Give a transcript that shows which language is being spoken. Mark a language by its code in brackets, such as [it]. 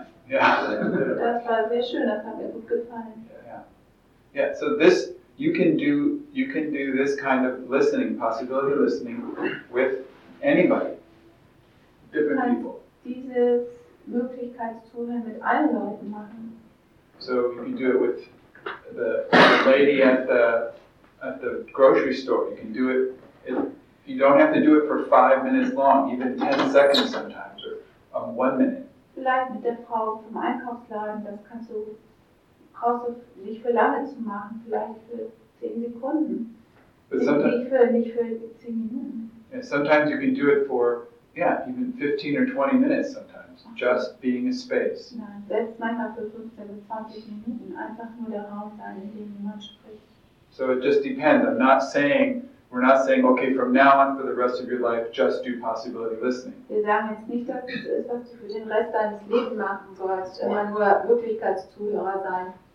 [de] Das war sehr schön, das hat mir gut gefallen. [en] Yeah, so this you can do this kind of listening, possibility listening with anybody. Different people. [de] Diese Möglichkeit zuhören mit allen Leuten machen. [en] So you can do it with the lady at the grocery store. You can do it, you don't have to do it for 5 minutes long, even 10 seconds sometimes, or 1 minute. [de] Vielleicht mit der Frau vom Einkaufsladen, das kannst du. Brauchst du nicht für lange zu machen, vielleicht für 10 Sekunden. Nicht für 10 Minuten. [en] Yeah, sometimes you can do it for, even 15 or 20 minutes sometimes, just being a space. [de] Nein, selbst manchmal für 15 oder 20 Minuten, einfach nur der Raum sein, in dem jemand spricht. [en] So it just depends. We're not saying, okay, from now on for the rest of your life, just do possibility listening. [de] Wir sagen jetzt nicht, dass es ist, was du für den Rest deines Lebens machen sollst, immer nur Wirklichkeitszuhörer sein.